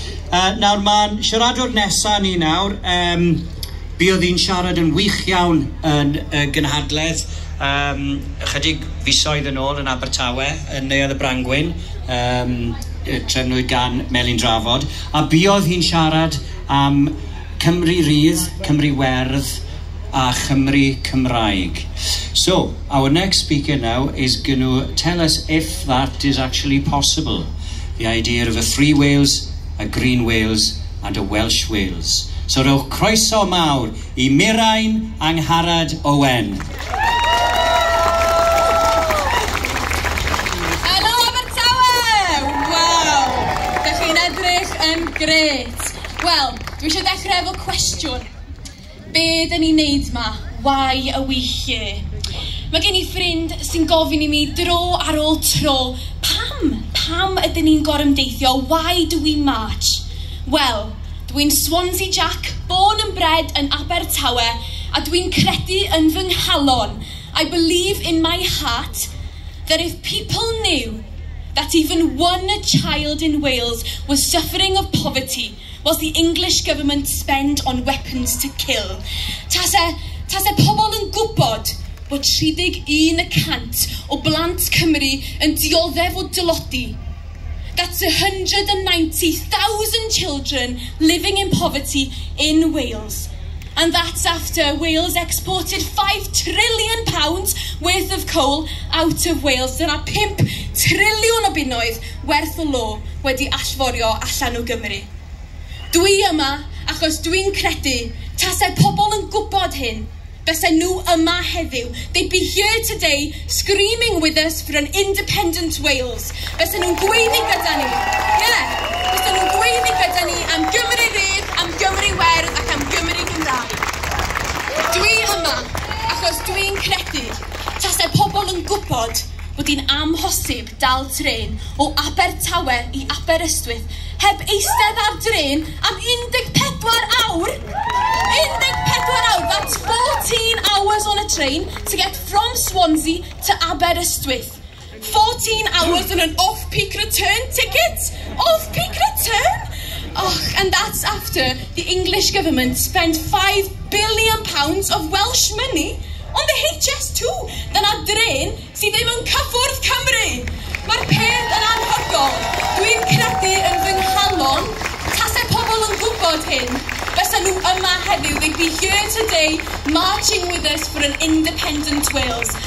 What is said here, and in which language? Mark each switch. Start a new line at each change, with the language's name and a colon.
Welsh: Nawr mae'n siaradwr nesaf ni nawr. Bydd hi'n siarad yn wych iawn yn gynhadledd. Ychydig fisoedd yn ôl yn Abertawe, yn Neuodd y Brangwyn, trefnwyd gan Melin Drafod. A bydd hi'n siarad am Cymru Rydd, Cymru Werdd, a Chymru Cymraeg.
English: So, our next speaker now is going to tell us if that is actually possible. The idea of a free Wales, a green Wales, and a Welsh Wales.
Welsh: So, rowch croeso mawr I Mirain Angharad Owen.
English: Hello, Abertawe! Wow!
Welsh: Dach chi'n edrych yn gret. Well, dwi eisiau dechrau efo cwestiwn. Be dyn ni'n neud ma?
English: Why are we here?
Welsh: Mae gen I ffrind sy'n gofyn I mi dro ar ôl tro, pam? Pam ydyn ni'n gorymdeithio?
English: Why do we march?
Welsh: Wel, dwi'n Swansea Jack,
English: born and bred
Welsh: yn Abertawe, a dwi'n credu yn fy nghalon.
English: I believe in my heart that if people knew that even one child in Wales was suffering of poverty, was the English government spend on weapons to kill.
Welsh: Tase pobl yn gwybod bod 31% o blant Cymru yn dioddef o dylodi.
English: That's 190,000 children living in poverty in Wales. And that's after Wales exported £5 trillion worth of coal out of Wales.
Welsh: Dyna 5 triliwn o bunnoedd werth o lo wedi allforio allan o Gymru. Dwi yma achos dwi'n credu tasau pobl yn gwybod hyn bysau nhw yma heddiw.
English: They'd be here today screaming with us for an independent Wales.
Welsh: Bysau nhw'n gweiddi gyda ni. Yeah. Bysau nhw'n gweiddi gyda ni am Gymru Rydd, am Gymru Werdd ac am Gymru Cymraeg. Dwi yma achos dwi'n credu tasau pobl yn gwybod bod hi'n amhosib dal tren o Abertawe I Aberystwyth heb eistedd ar dren am 14 awr. 14 awr,
English: that's 14 hours on a train to get from Swansea to Aberystwyth. 14 hours on an off-peak return ticket. Off-peak return? Och, and that's after the English government spent £5 billion of Welsh money on the HS2,
Welsh: dyna dren sydd ddim yn cyffwrdd Cymru. Mae'r peth yn anhygol. Dwi'n credu yn fy nghalon. Tasau pobl yn gwybod hyn, bysau nhw yma heddiw.
English: They'd be here today marching with us for an independent Wales.